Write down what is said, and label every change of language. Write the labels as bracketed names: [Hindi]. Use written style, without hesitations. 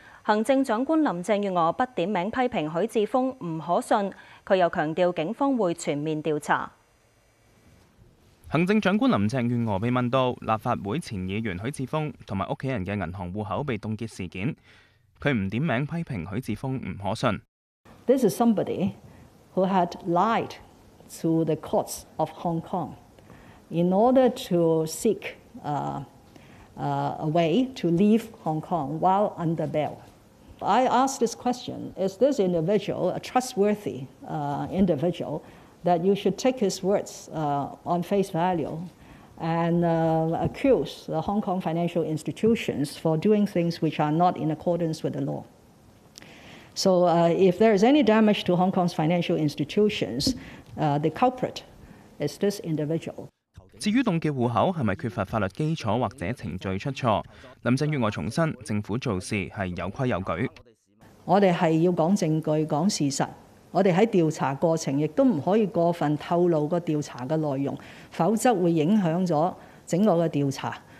[Chinese] 行政長官林鄭月娥不點名批評許智峯不可信，他又強調警方會全面調查。行政長官林鄭月娥被問到立法會前議員許智峯和家人的銀行戶口被凍結事件，他不點名批評許智峯不可信。 [English] This is somebody who had lied to the courts of Hong Kong in order to seek a way to leave Hong Kong while under bail. I asked this question, is this individual a trustworthy individual that you should take his words on face value and accuse the Hong Kong financial institutions for doing things which are not in accordance with the law? So if there is any damage to Hong Kong's financial institutions, the culprit is this individual. [Chinese] 至於凍結戶口是否缺乏法律基礎或者程序出錯，林鄭月娥重申政府做事是有規有矩。我們是要講證據、講事實，我們在調查過程也不可以過分透露調查的內容，否則會影響了整個的調查。